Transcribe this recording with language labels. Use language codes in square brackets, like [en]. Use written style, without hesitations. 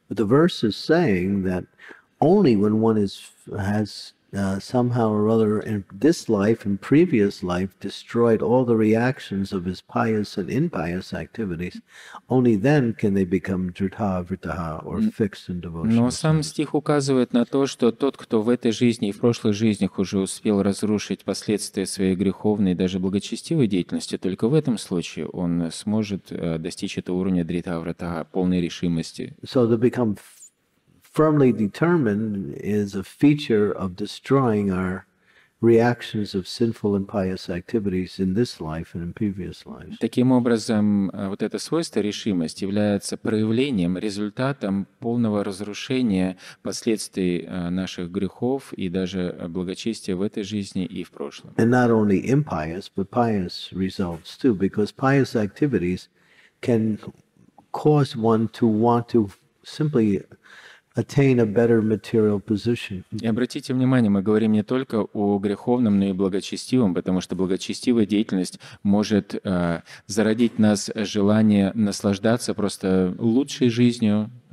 [en] But the verse is saying that only when one is has somehow or other in this life and previous life destroyed all the reactions of his pious and impious activities, only then can they become dṛṭhā-vṛtaḥ or fixed in devotion. [ru] Но сам стих указывает на то, что тот, кто в этой жизни и в прошлых жизнях уже успел разрушить последствия своей греховной и даже благочестивой деятельности, только в этом случае он сможет достичь этого уровня dṛṭhā-vṛtaḥ, полной решимости. [en] So to become firmly determined is a feature of destroying our reactions of sinful and pious activities in this life and in previous lives. [ru] Таким образом, вот это свойство решимость является проявлением, результатом полного разрушения последствий наших грехов и даже благочестия в этой жизни и в прошлом. [en] And not only impious, but pious results too, because pious activities can cause one to want to simply attain a better material position. [ru] И обратите внимание, мы говорим не только о греховном, но и благочестивом, потому что благочестивая деятельность может зародить нас желание наслаждаться просто лучшей жизнью.